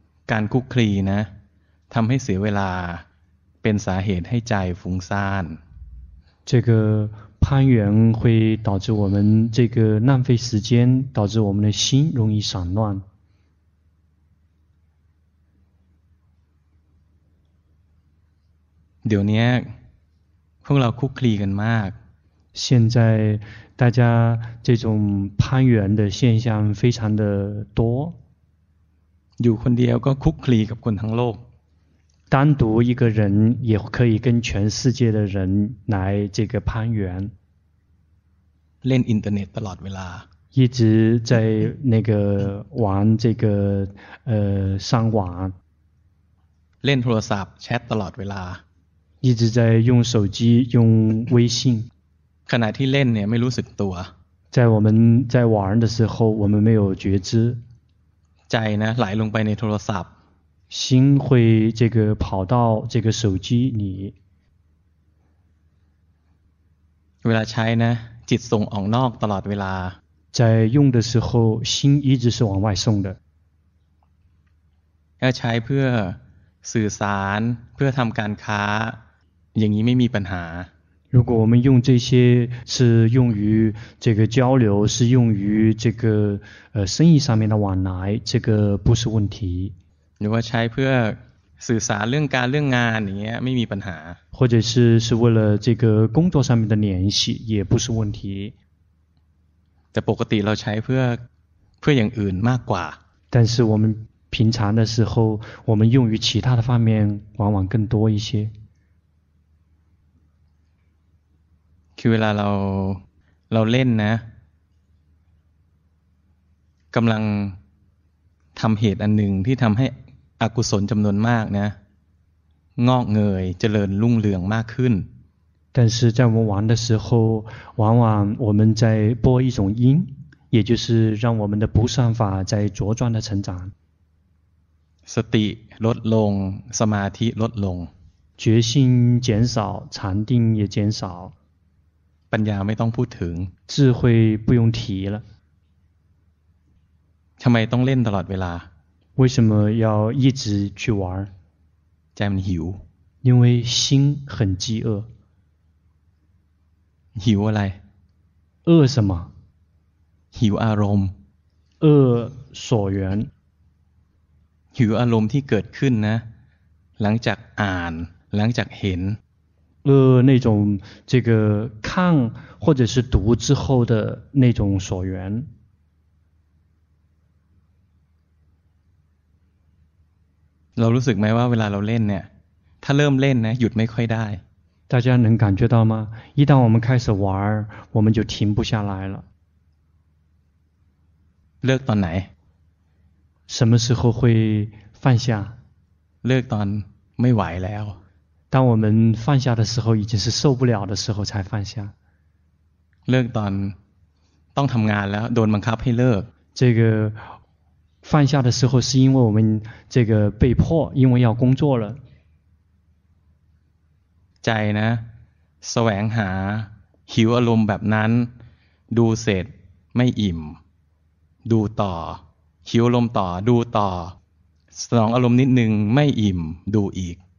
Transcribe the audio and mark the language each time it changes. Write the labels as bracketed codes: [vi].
[th] การคลุกคลีนะทำให้เสียเวลาเป็นสาเหตุให้ใจฟุ้งซ่าน [zh] 这个攀缘会导致我们这个浪费时间导致我们的心容易散乱 [th] เดี๋ยวนี้พวกเราคุกคลีกันมาก [zh] 现在大家这种攀缘的现象非常的多 [th] อยู่คนเดียวก็คุกคลีกับคนทั้งโลก [zh] 单独一个人也可以跟全世界的人来这个攀缘 [th] เล่นอินเทอร์เน็ตตลอดเวลา [zh] 一直在那个玩这个上网 [th] เล่นโทรศัพท์แชทตลอดเวลา [zh] 一直在用手机用微信 [th] ขณะที่เล่นเนี่ยไม่รู้สึกตัว [zh] 在我们在玩的时候我们没有觉知 [th] ใจนะไหลลงไปในโทรศัพท์ [zh] 心会这个跑到这个手机里 [th] เวลาใช้นะจิตส่งออกนอกตลอดเวลา [zh] 在用的时候心一直是往外送的要 [th] ใช้เพื่อสื่อสารเพื่อทำการค้าอย่างนี้ไม่มีปัญหา [zh] 如果我们用这些是用于这个交流是用于这个生意上面的往来这个不是问题如果 [th] ใช้เพื่อสื่อสารเรื่องการเรื่องงานอย่างเงี้ยไม่มีปัญหา [zh] 或者是为了这个工作上面的联系也不是问题 [th] แต่ปกติเราใช้เพื่ออย่างอื่นมากกว่า [zh] 但是我们平常的时候我们用于其他的方面往往更多一些 [th] คือเวลาเราเล่นนะกำลังทำเหตุอันหนึ่งที่ทำให้อกุศลจำนวนมากนะงอกเงยเจริญรุ่งเรืองมากขึ้น [zh] 但是在我们玩的时候往往我们在播一种因也就是让我们的不善法在茁壮的成长 [th] สติลดลงสมาธิลดลง [zh] 决心减少禅定也减少 [th] ปัญญาไม่ต้องพูดถึง [zh] 智慧不用提了 [th] ทำไมต้องเล่นตลอดเวลา [zh] 为什么要一直去玩 [th] ใจมันหิว [zh] 因为心很饥饿 [th] หิวอะไร [zh] 饿什么 [th] หิวอารมณ์ [zh] 饿所缘 [th] หิวอารมณ์ที่เกิดขึ้นนะหลังจากอ่านหลังจากเห็น [zh] เออ那种这个看或者是读之后的那种所缘 [th] เรารู้สึกไหมว่าเวลาเราเล่นเนี่ยถ้าเริ่มเล่นนะหยุดไม่ค่อยได้ [zh] 大家能感觉到吗一旦我们开始玩我们就停不下来了 [th] เลิกตอนไหน [zh] 什么时候会放下 [th] เลิกตอนไม่ไหวแล้ว [zh] 当我们放下的时候已经是受不了的时候才放下 [th] เลิกตอนต้องทำงานแล้วโดนบังคับให้เลิก [zh] 这个放下的时候是因为我们这个被迫因为要工作了 [th] ใจนะแสวงหาหิวอารมณ์แบบนั้นดูเสร็จไม่อิ่มดูต่อหิวอารมณ์ต่อดูต่อสนองอารมณ์นิดนึงไม่อิ่มดูอีก